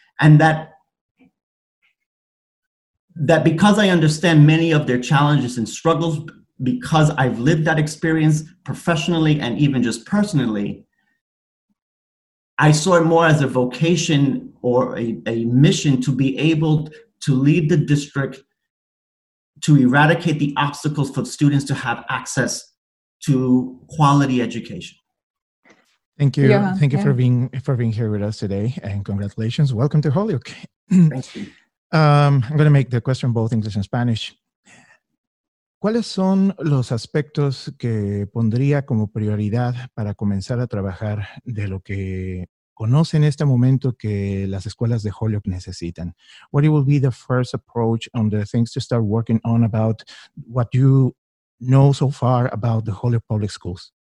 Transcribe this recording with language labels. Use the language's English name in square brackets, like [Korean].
[English] And that because I understand many of their challenges and struggles, because I've lived that experience professionally and even just personally, I saw it more as a vocation or a mission to be able to lead the district to eradicate the obstacles for students to have access to quality education. Thank you. Yeah, thank you. For being here with us today, and congratulations. Welcome to Holyoke. Thank you. I'm going to make the question both English and Spanish. [Spanish] ¿Cuáles son los aspectos que pondría como prioridad para comenzar a trabajar de lo que conoce en este momento que las escuelas de Holyoke necesitan? [English] What would be the first approach on the things to start working on about what you know so far about the Holyoke Public Schools?